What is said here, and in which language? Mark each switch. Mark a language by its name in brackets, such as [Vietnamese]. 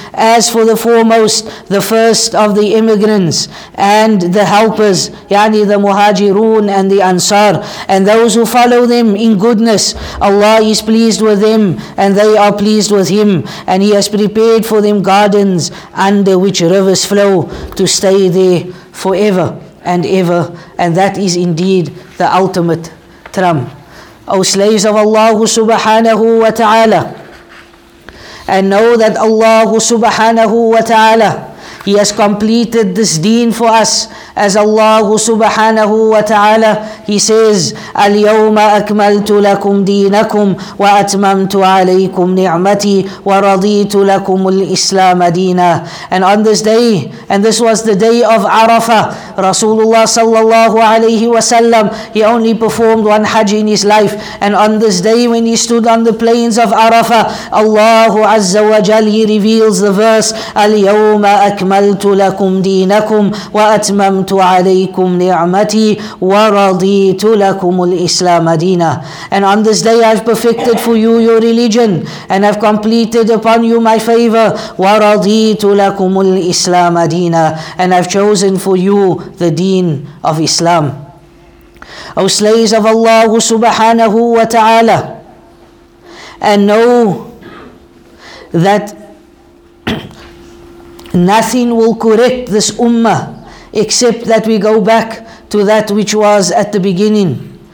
[English] As for the foremost, the first of the immigrants and the helpers, yani the muhajirun and the ansar, and those who follow them in goodness, Allah is pleased with them and they are pleased with Him, and He has prepared for them gardens under which rivers flow to stay there forever and ever. And that is indeed the ultimate trump. O slaves of Allah subhanahu wa ta'ala, and know that Allah subhanahu wa ta'ala, He has completed this deen for us. As Allah subhanahu wa ta'ala, He says, [Arabic] اليوم أكملت لكم دينكم وأتممت عليكم نعمتي ورضيت لكم الإسلام دينا. [English] And on this day, and this was the day of Arafah, Rasulullah sallallahu alayhi wa sallam, he only performed one hajj in his life. And on this day, when he stood on the plains of Arafah, Allah azza wa jal, He reveals the verse, [Arabic] اليوم أكملت لكم دينكم وأتممت عليكم نعمتي ورضيت لكم الإسلام دينا. [English] And on this day I've perfected for you your religion, and I've completed upon you my favor. [Arabic] ورضيت لكم الإسلام دينا. [English] And I've chosen for you the deen of Islam. O slaves of Allah subhanahu wa ta'ala, and know that nothing will correct this ummah except that we go back to that which was at the beginning.